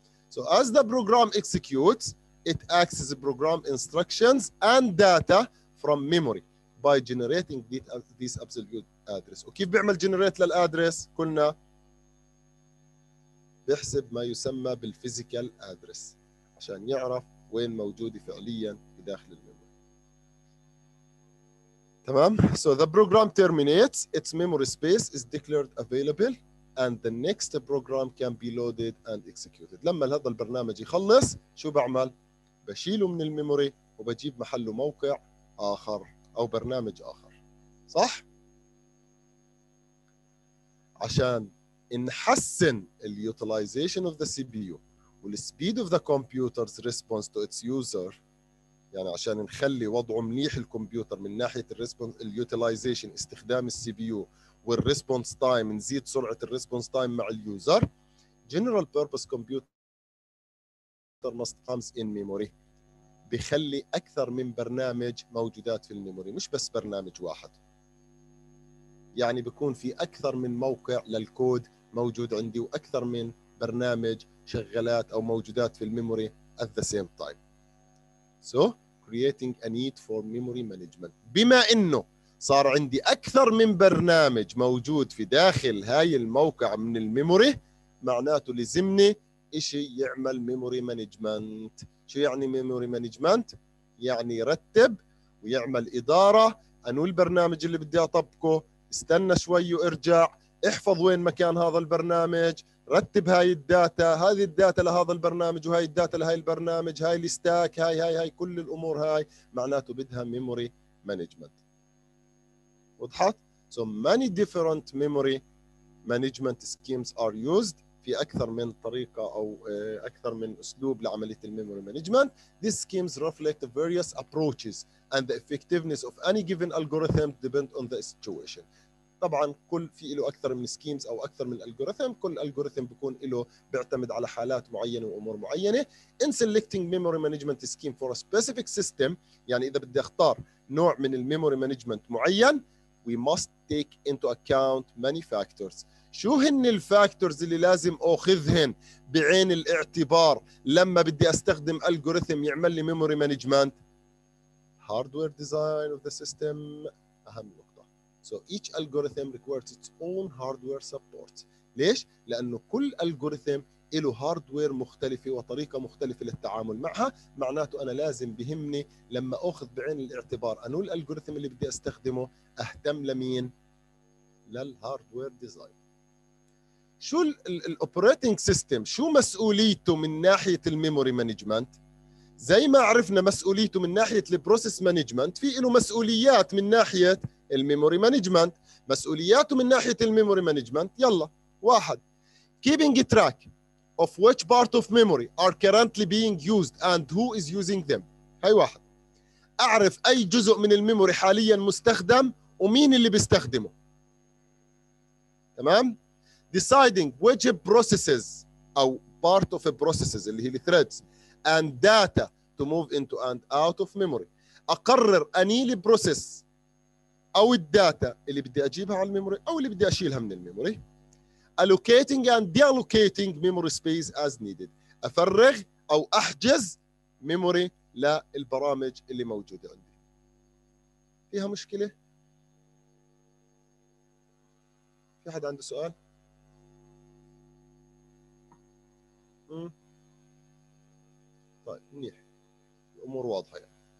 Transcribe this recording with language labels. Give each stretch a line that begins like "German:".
English: So as the program executes it accesses program instructions and data from memory by generating this absolute address.
Arabic: وكيف بيعمل generate للادرس؟ قلنا بيحسب ما يسمى بالphysical address عشان يعرف وين موجود فعليا بداخل الميموري. تمام.
English: So the program terminates, its memory space is declared available and the next program can be loaded and executed.
Arabic: لما هذا البرنامج يخلص شو بعمل؟ بشيله من الميموري وبجيب محله موقع آخر أو برنامج آخر، صح؟ عشان نحسن
English: the utilization of the CPU the speed of the computer's response to its user،
Arabic: يعني عشان نخلي وضعه منيح الكمبيوتر من ناحية
English: the response the utilization
Arabic: استخدام CPU وال response time، نزيد سرعة the response time مع اليوزر.
English: General purpose computer must comes in memory،
Arabic: بيخلي أكثر من برنامج موجودات في الميموري، مش بس برنامج واحد. يعني بيكون في أكثر من موقع للكود موجود عندي وأكثر من برنامج شغلات أو موجودات في الميموري
English: at the same time. So creating a need for memory management.
Arabic: بما إنه صار عندي أكثر من برنامج موجود في داخل هاي الموقع من الميموري، معناته لزمني إشي يعمل memory management. شو يعني ميموري مانجمنت؟ يعني يرتب ويعمل إدارة، أنو البرنامج اللي بدي أطبقه، استنى شوي وارجع، احفظ وين مكان هذا البرنامج، رتب هاي الداتا، هذه الداتا لهذا البرنامج وهاي الداتا لهاي البرنامج، هاي الستاك، هاي هاي هاي، كل الأمور هاي معناته بدها ميموري مانجمنت. وضحت؟
English: So many different memory management schemes are used،
Arabic: في أكثر من طريقة أو أكثر من أسلوب لعملية الميموري مانجمنت.
English: These schemes reflect various approaches and the effectiveness of any given algorithm depend on the situation.
Arabic: طبعاً كل في له أكثر من schemes أو أكثر من algorithm، كل algorithm بيكون له بيعتمد على حالات معينة وأمور معينة.
English: In selecting memory management scheme for a specific system،
Arabic: يعني إذا بدي أختار نوع من الميموري مانجمنت معين،
English: we must take into account many factors.
Arabic: شو هن الفاكتورز اللي لازم اخذهن بعين الاعتبار لما بدي استخدم الجوريثم يعمل لي ميموري مانجمنت؟
English: hardware design of the system
Arabic: اهم نقطه.
English: So each algorithm requires its own hardware support.
Arabic: ليش؟ لانه كل الجوريثم له هاردوير مختلفه وطريقه مختلفه للتعامل معها، معناته انا لازم بهمني لما اخذ بعين الاعتبار انو الالجوريثم اللي بدي استخدمه اهتم لمين؟ للهاردوير ديزاين. شو الاوبريتنج سيستم شو مسؤوليته من ناحيه الميموري مانجمنت؟ زي ما عرفنا مسؤوليته من ناحيه البروسيس مانجمنت، في له مسؤوليات من ناحيه الميموري مانجمنت. مسؤولياته من ناحيه الميموري مانجمنت، يلا واحد،
English: keeping track of which part of memory are currently being used and who is using them.
Arabic: هاي واحد. أعرف أي جزء من الميموري حاليا مستخدم ومين اللي بيستخدمه.
English: تمام؟ deciding which processes أو part of processes اللي هي threads and data to move into and out of memory.
Arabic: أقرر أني البروسيس أو الداتا اللي بدي أجيبها على الميموري أو اللي بدي أشيلها من الميموري.
English: allocating and deallocating memory space as needed.
Arabic: أفرغ أو أحجز ميموري للبرامج اللي موجودة عندي. فيها مشكلة؟ في حد عنده سؤال؟ طيب منيح، الأمور واضحة يعني.